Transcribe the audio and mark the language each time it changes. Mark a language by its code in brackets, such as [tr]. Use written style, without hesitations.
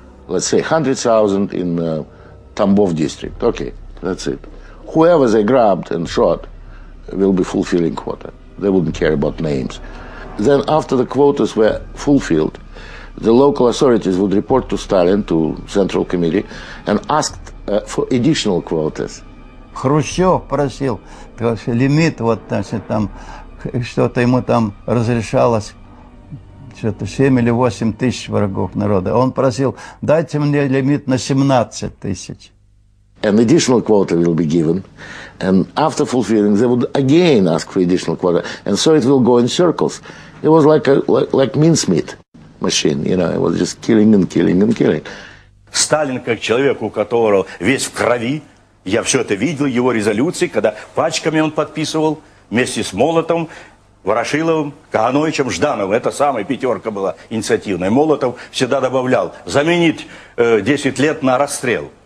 [en] Let's say 100,000 in Tambov district. Okay, that's it. Whoever they grabbed and shot will be fulfilling quota. They wouldn't care about names. Then after the quotas were fulfilled, the local authorities would report to Stalin, to Central Committee, and ask for additional quotas. [ru] Хрущев просил, потому что лимит, вот, значит, там, что-то ему там разрешалось, что-то 7 или 8 тысяч врагов народа. Он просил, дайте мне лимит на 17 тысяч. [en] An additional quota will be given, and after fulfilling, they would again ask for additional quota, and so it will go in circles. It was like mincemeat machine, you know, it was just killing and killing and killing. [ru] Сталин, как человек, у которого весь в крови, я все это видел, его резолюции, когда пачками он подписывал, вместе с Молотом, Ворошиловым, Кагановичем, Ждановым. Это самая пятерка была инициативная. Молотов всегда добавлял, заменить 10 лет на расстрел.